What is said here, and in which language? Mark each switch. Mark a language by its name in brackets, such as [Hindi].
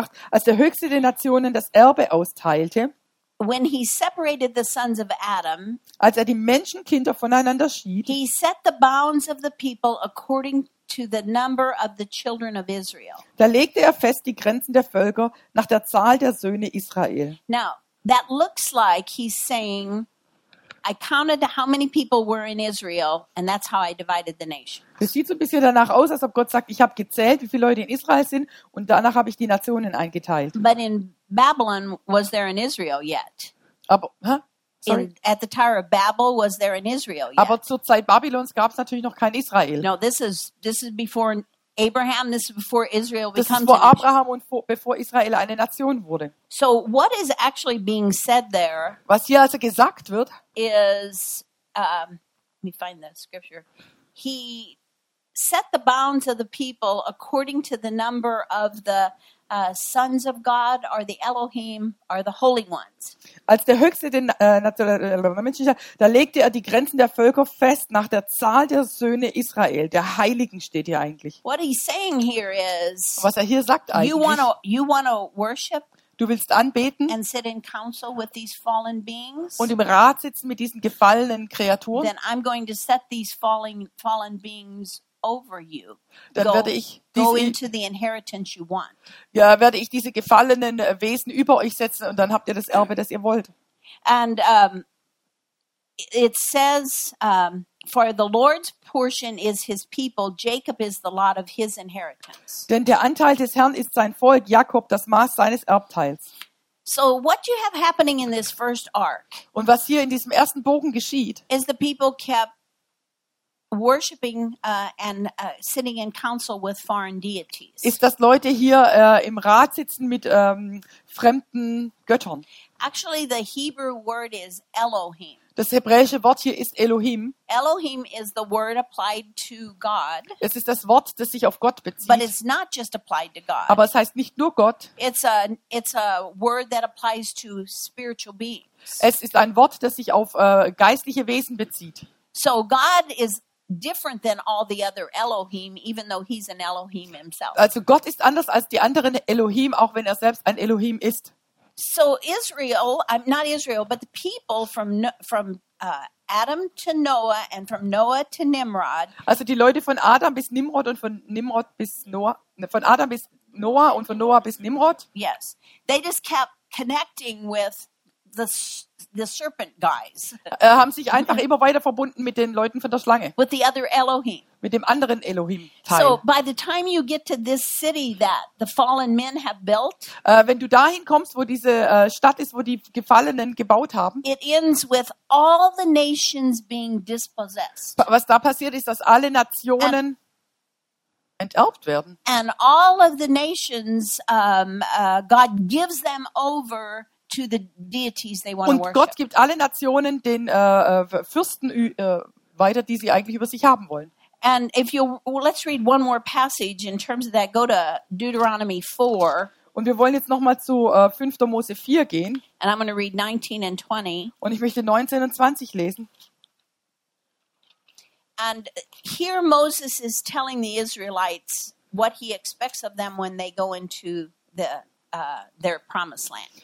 [German] Als der Höchste den Nationen das Erbe austeilte. [English] When he separated the sons of Adam, [German] als er die Menschenkinder voneinander schied, [English] he set the bounds of the people according to the number of the children of Israel. [German] Da legte er fest die Grenzen der Völker nach der Zahl der Söhne Israel. [English] Now, that looks like he's saying, I counted how many people were in Israel, and that's how I divided the nation. [German] Es sieht so ein bisschen danach aus, als ob Gott sagt, ich habe gezählt, wie viele Leute in Israel sind, und danach habe ich die Nationen eingeteilt. [English] But in Babylon, was there in Israel yet? [German] Aber, sorry. [English] At the Tower of Babel, was there in Israel yet? [German] Aber zur Zeit Babylons gab es natürlich noch kein Israel. [English] No, this is before Abraham. This is before Israel becomes. [German] Das ist vor Abraham und bevor Israel eine Nation wurde. [English] So what is actually being said there? [German] Was hier also gesagt wird? [English] Is let me find that scripture. He set the bounds of the people according to the number of the sons of God, are the Elohim, are the holy ones. [German] Als der Höchste den Menschen, da legte er die Grenzen der Völker fest nach der Zahl der Söhne Israel, der Heiligen steht hier eigentlich. [English] What he's saying here is, [German] was er hier sagt eigentlich, [English] you wanna worship. [German] Du willst anbeten [English] and sit in council with these fallen beings, [German] und im Rat sitzen mit diesen gefallenen Kreaturen. [English] Then I'm going to set these fallen beings over you. [German] Werde ich diese gefallenen Wesen über euch setzen und dann habt ihr das Erbe, das ihr wollt. [English] And it says for the Lord's portion is his people, Jacob is the lot of his inheritance. [German] Denn der Anteil des Herrn ist sein Volk, Jakob das Maß seines Erbteils. [English] So what you have happening in this first arc? [German] Und was hier in diesem ersten Bogen geschieht? [English] Is the people kept worshiping and sitting in council with foreign deities. [German] Ist, dass Leute hier im Rat sitzen mit fremden Göttern. [English] Actually, the Hebrew word is Elohim. [German] Das hebräische Wort hier ist Elohim. [English] Elohim is the word applied to God. [German] Es ist das Wort, das sich auf Gott bezieht. [English] But it's not just applied to God. [German] Aber es heißt nicht nur Gott. [English] It's a word that applies to spiritual beings. [German] Es ist ein Wort, das sich auf geistliche Wesen bezieht. [English] So God is different than all the other Elohim, even though he's an Elohim himself. [German] Also Gott ist anders als die anderen Elohim, auch wenn er selbst ein Elohim ist. [English] So Israel, not Israel, but the people from Adam to Noah and from Noah to Nimrod. [German] Also die Leute von Adam bis Nimrod und von Nimrod bis Noah, von Adam bis Noah und von Noah bis Nimrod. [English] Yes, they just kept connecting with the serpent guys. [German] Haben sich einfach immer weiter verbunden mit den Leuten von der Schlange. [English] With the other Elohim. [German] Mit dem anderen Elohim teil. [English] So by the time you get to this city that the fallen men have built, [German] wenn du dahin kommst, wo diese Stadt ist, wo die Gefallenen gebaut haben, [English] it ends with all the nations being dispossessed. [German] Was da passiert ist, dass alle Nationen enterbt werden. [English] And all of the nations, God gives them over to the deities they want to worship. [German] Und Gott gibt alle Nationen den Fürsten weiter, die sie eigentlich über sich haben wollen. [English] And if you let's read one more passage in terms of that, go to Deuteronomy 4. [German] Und wir wollen jetzt noch mal zu 5. Mose 4 gehen. [English] And I'm going to read 19 and 20. [German] Und ich möchte 19 und 20 lesen. [English] And here Moses is telling the Israelites what he expects of them when they go into their promised land.